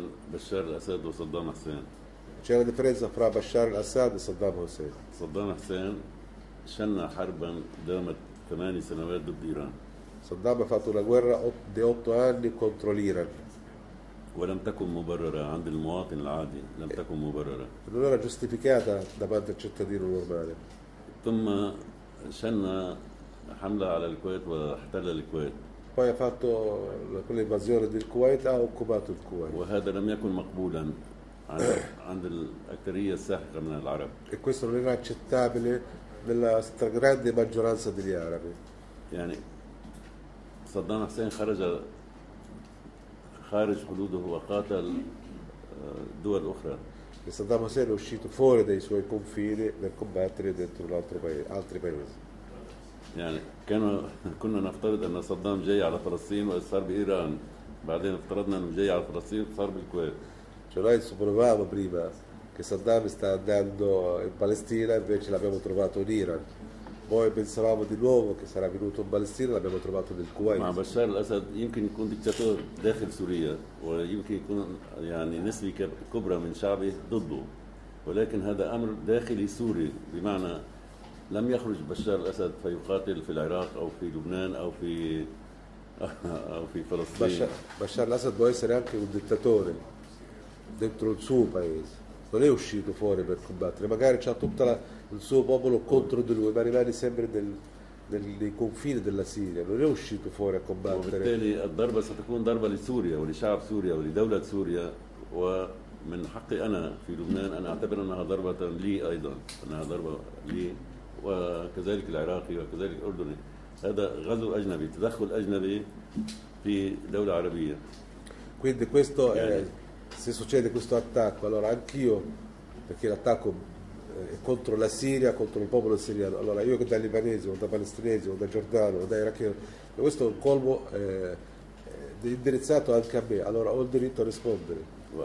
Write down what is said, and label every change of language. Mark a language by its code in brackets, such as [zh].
[it] C'è una differenza fra Bashar al-Assad e Saddam Hussein. [ar] Saddam Hussein shanna harban damat 8 sanawat dod Iran. [it] Saddam ha fatto una guerra di 8 anni contro l'Iran. [ar] ولم تكن مبررة عند المواطن العادي، لم تكن مبررة. [it] Non era giustificata da parte del cittadino normale. [ar] ثم شن حملة على الكويت واحتل الكويت. [it] Poi ha fatto quell'invasione del Kuwait, ha occupato il Kuwait. [ar] وهذا لم يكن مقبولا عند الأكثرية الساحقة من العرب. [it] questo non era accettabile nella stragrande maggioranza degli arabi. [ar] يعني صدام حسين خرج خارج حدوده وقاتل دول أخرى. [it] Saddam Hussein è uscito fuori dai suoi confini per combattere dentro un altro paese, altri paesi. [ar] يعني كنا نفترض أن صدام جاي على فلسطين وصار بإيران. بعدين افترضنا أنه جاي على فلسطين وصار بالكويت. [it] Cioè noi supponevamo prima che Saddam sta andando in Palestina, invece l'abbiamo trovato in Iran. Poi pensavamo di nuovo che sarà venuto in Palestina, l'abbiamo trovato nel Kuwait. [ar] Ma Bashar al-Assad يمكن يكون ديكتاتور داخل سوريا ويمكن يكون يعني نسبة كبرى من شعبه ضده. ولكن هذا أمر داخلي سوري، بمعنى لم يخرج بشار الأسد فيقاتل في العراق أو في لبنان أو في أو في فلسطين. [it] بشار الأسد può essere anche un dittatore dentro il suo paese. Non è uscito fuori per combattere, magari c'ha tutta la, il suo popolo contro di lui, ma rimane sempre nei confini della Siria. Non è uscito fuori a combattere. [ar] وبالتالي الضربة ستكون ضربة لسوريا ولشعب سوريا ولدولة سوريا ومن حقي أنا في لبنان أنا أعتبر أنها ضربة لي أيضا، أنها ضربة لي وكذلك العراقي وكذلك الأردني. هذا غزو أجنبي، تدخل أجنبي في دولة عربية. [it] Quindi questo è se succede questo attacco, allora anch'io, perché l'attacco è contro la Siria, contro il popolo siriano, allora io che da libanese o da palestinese o da giordano o da iracheno, questo è un colpo indirizzato anche a me, allora ho il diritto a rispondere.